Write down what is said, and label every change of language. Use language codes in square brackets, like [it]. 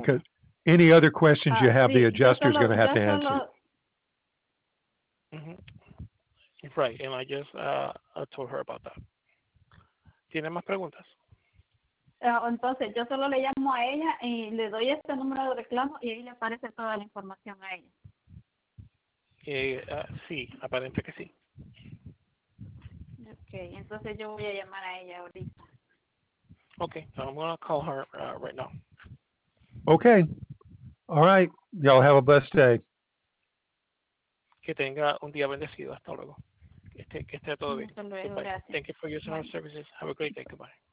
[en] Because any other questions you have, the adjuster is going to have to answer. Mm-hmm. Right, and I just told her about that. [es] ¿Tiene más preguntas? Entonces, yo solo le llamo a ella y le doy este número de reclamo y ahí le aparece toda la información a ella. Sí, aparente que sí. Okay, entonces yo voy a llamar a ella ahorita. [en] Okay, so I'm going to call her right now. Okay. All right. Y'all have a blessed day. [es] Que tenga un día bendecido. Hasta luego. Que esté todo bien. Hasta luego, gracias. [en] Thank you for using our services. Have a great day. Goodbye.